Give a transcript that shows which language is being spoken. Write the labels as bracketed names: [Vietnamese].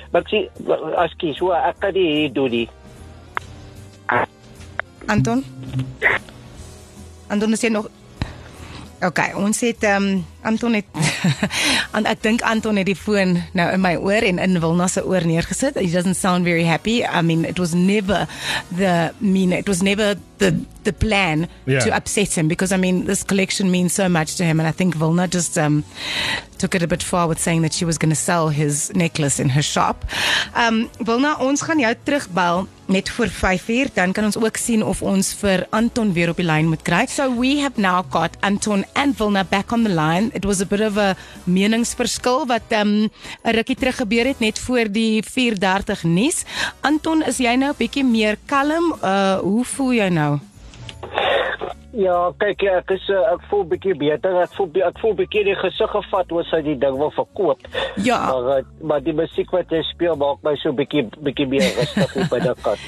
[Afrikaans] Maar ek sê, as kies, hoor, ek kan nie hierdie doen nie. Anton? Anton, is jy nog... Ok, ons het, Anton het... ek dink Anton het die foon nou in my oor en in Vilna se oor neergesit. [English] He doesn't sound very happy. I mean, it was never the plan to upset him because, I mean, this collection means so much to him and I think Vilna just took it a bit far with saying that she was going to sell his necklace in her shop. [Afrikaans] Vilna, ons gaan jou terugbel net voor 5:00, dan kan ons ook sien of ons vir Anton weer op die line moet kry. [English] So we have now got Anton and Vilna back on the line. It was a bit of a [Afrikaans] meningsverskil wat een rukkie terug gebeur het net voor die 4:30 nuus. Anton, is jy nou 'n bietjie meer kalm? Hoe voel jy nou? Ja, kyk, ek voel bietjie beter. Ek voel bietjie die gesig gevat oor sy die ding wil verkoop. Ja. Maar die musiek wat hy speel maak my so bietjie meer rustig op by die kat.